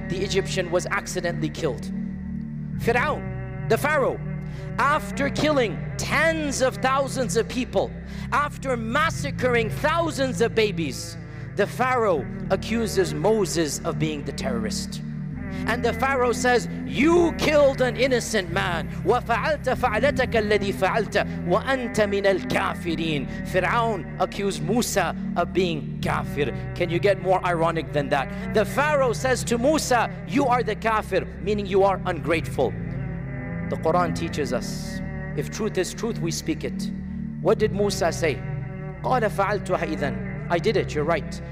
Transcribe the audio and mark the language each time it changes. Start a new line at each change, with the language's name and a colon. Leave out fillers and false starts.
English: The Egyptian was accidentally killed. Fir'aun, the Pharaoh, after killing tens of thousands of people, after massacring thousands of babies, the Pharaoh accuses Moses of being the terrorist. And the Pharaoh says, you killed an innocent man.
Arabic: وفعلت فعلتك الذي فعلت وأنت من الكافرين.
English: Pharaoh accused Musa of being kafir. Can you get more ironic than that? The Pharaoh says to Musa, you are the kafir, meaning you are ungrateful. The Quran teaches us, if truth is truth, we speak it. What did Musa say?
Arabic: قال فعلتها إذن.
English: I did it, you're right.